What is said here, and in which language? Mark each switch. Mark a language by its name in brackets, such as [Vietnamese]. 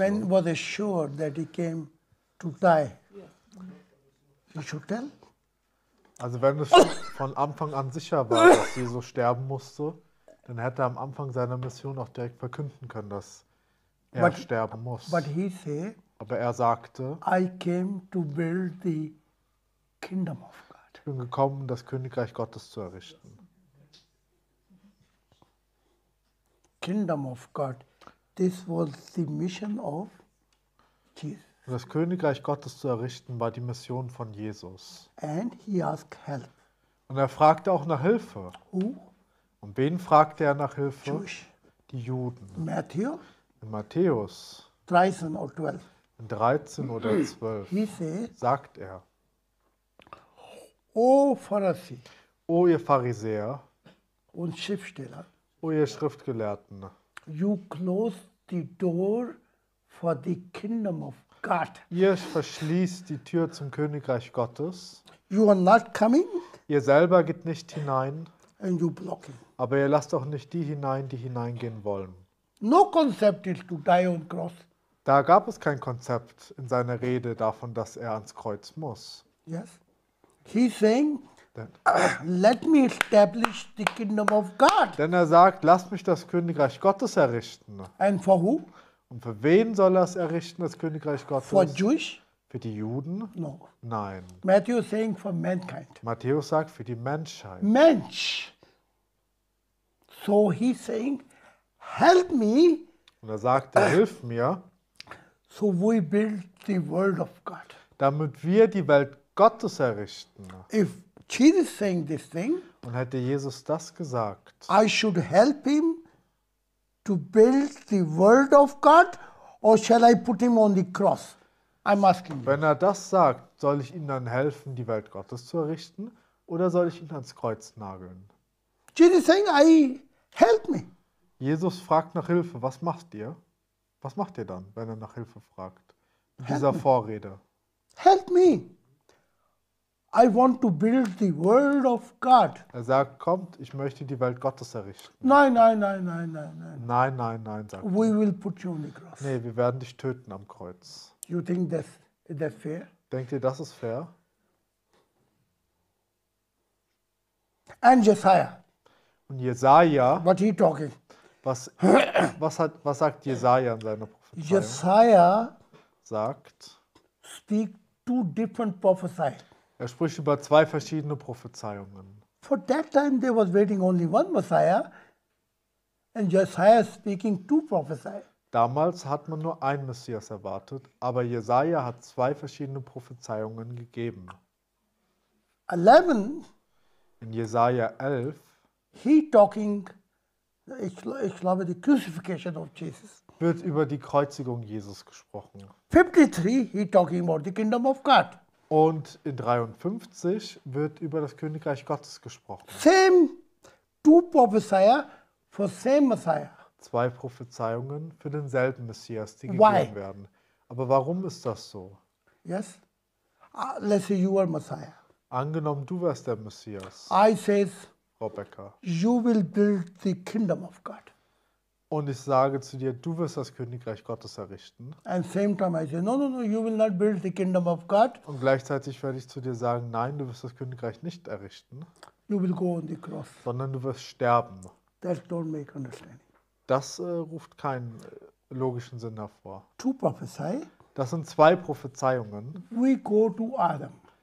[English] When was he sure that he came to die? He should tell. [German] Also wenn es von Anfang an sicher war, dass Jesus sterben musste, dann hätte er am Anfang seiner Mission auch direkt verkünden können, dass er sterben muss. [English] But he say, [German] aber er sagte, [English] I came to build the kingdom of God. [German] Ich bin gekommen, das Königreich Gottes zu errichten. [English] Kingdom of God. This was the mission of Jesus. [German] Das Königreich Gottes zu errichten war die Mission von Jesus. [English] And he asked help. [German] Und er fragte auch nach Hilfe. [English] Who? [German] Und wen fragte er nach Hilfe? [English] Jewish. [German] Die Juden. [English] Matthew? [German] In Matthäus. [English] 13 or 12. [German] In 13 oder 12. [English] He said, [German] sagt er. O Pharisäer. O ihr Pharisäer. Und Schriftsteller. O ihr Schriftgelehrten. [English] You close the door for the kingdom of God. [German] Ihr verschließt die Tür zum Königreich Gottes. [English] You are not coming. [German] Ihr selber geht nicht hinein. [English] And you block it. [German] Aber ihr lasst auch nicht die hinein, die hineingehen wollen. [English] No concept is to die on cross. [German] Da gab es kein Konzept in seiner Rede davon, dass er ans Kreuz muss. [English] Yes. He's saying, let me establish the kingdom of God. [German] Denn er sagt, lass mich das Königreich Gottes errichten. [English] And for who? [German] Und für wen soll er es errichten, das Königreich Gottes? [English] For Jewish? [German] Für die Juden? [English] No. [German] Nein. [English] Matthew saying for mankind. [German] Matthäus sagt für die Menschheit. [English] Mensch. So he's saying, help me. [German] Und er sagt, hilf mir. [English] So we build the world of God. [German] Damit wir die Welt Gottes errichten. [English] If Jesus saying this thing, [German] und hätte Jesus das gesagt, [English] I should help him to build the world of God, Or shall I put him on the cross? I'm asking. [German] Wenn er das sagt, soll ich ihnen dann helfen, die Welt Gottes zu errichten, oder soll ich ihn ans Kreuz nageln? [English] Jesus saying, I help me. [German] Jesus fragt nach Hilfe. Was macht ihr? Was macht ihr dann, wenn er nach Hilfe fragt? Dieser Vorrede. [English] Help me. I want to build the world of God. [German] Er sagt, kommt, ich möchte die Welt Gottes errichten. Nein, nein, nein, nein, nein, nein. Nein, nein, nein, sagt [English] er. We will put you on the cross. [German] Nee, wir werden dich töten am Kreuz. [English] You think that's fair? [German] Denkt ihr, das ist fair? [English] And Jesaja. [German] Und Jesaja. [English] What he talking? [German] Was sagt Jesaja in seiner Prophezeiung? Jesaja sagt, [English] speak two different prophecies. [German] Er spricht über zwei verschiedene Prophezeiungen. [English] For that time there was waiting only one Messiah, and Jesaja speaking two prophecies. [German] Damals hat man nur einen Messias erwartet, aber Jesaja hat zwei verschiedene Prophezeiungen gegeben. [English] 11. [German] In Jesaja 11. [English] He talking. [German] Ich glaube, [English] the crucifixion of Jesus. [German] Wird über die Kreuzigung Jesus gesprochen. [English] 53, he talking about the kingdom of God. [German] Und in 53 wird über das Königreich Gottes gesprochen. [English] Same two prophecies for same Messiah. [German] Zwei Prophezeiungen für denselben Messias, die gegeben werden. Aber warum ist das so? [English] Yes. Let's say you are Messiah. [German] Angenommen, du wärst der Messias. [English] I says, Rebecca. You will build the kingdom of God. [German] Und ich sage zu dir, du wirst das Königreich Gottes errichten. [English] And same time I say, no, no, no, you will not build the kingdom of God. [German] Und gleichzeitig werde ich zu dir sagen, nein, du wirst das Königreich nicht errichten. [English] You will go on the cross. [German] Sondern du wirst sterben. [English] That don't make understanding. [German] Das ruft keinen logischen Sinn hervor. [English] Two prophecy. [German] Das sind zwei Prophezeiungen. [English] We go to Adam.